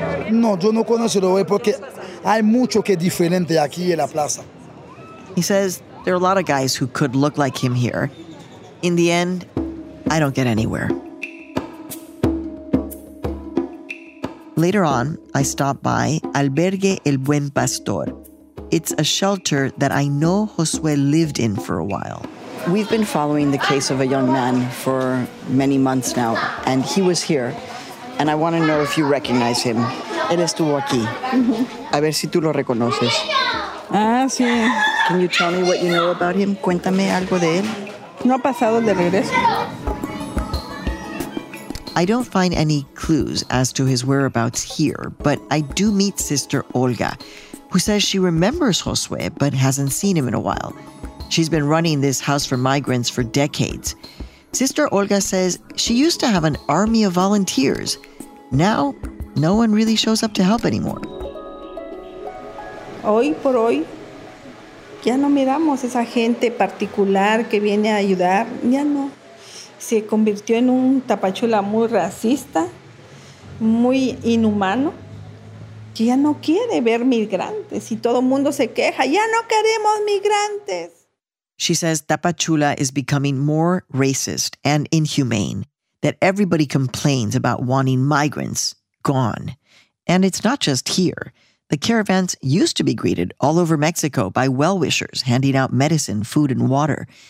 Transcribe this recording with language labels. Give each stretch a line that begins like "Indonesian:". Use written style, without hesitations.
Spanish: No, yo no conozco, porque hay mucho que diferente aquí en la plaza.
English: He says there are a lot of guys who could look like him here. In the end, I don't get anywhere. Later on, I stop by Albergue El Buen Pastor. It's a shelter that I know Josue lived in for a while. We've been following the case of a young man for many months now, and he was here. And I want to know if you recognize him.
Spanish: Él estuvo aquí. A ver si tú lo reconoces. Ah, sí.
English: Can you tell me what you know about him?
Spanish: Cuéntame algo de él. No ha pasado de regreso.
English: I don't find any clues as to his whereabouts here, but I do meet Sister Olga, who says she remembers Josue but hasn't seen him in a while. She's been running this house for migrants for decades. Sister Olga says she used to have an army of volunteers. Now, no one really shows up to help anymore.
Spanish: Hoy por hoy, ya no miramos esa gente particular que viene a ayudar, ya no. Se convirtió en un Tapachula muy racista, muy inhumano. Ya no quiere ver migrantes y todo mundo se queja. Ya no queremos migrantes.
English: She says Tapachula is becoming more racist and inhumane, that everybody complains about wanting migrants gone. And it's not just here. The caravans used to be greeted all over Mexico by well-wishers handing out medicine, food, and water.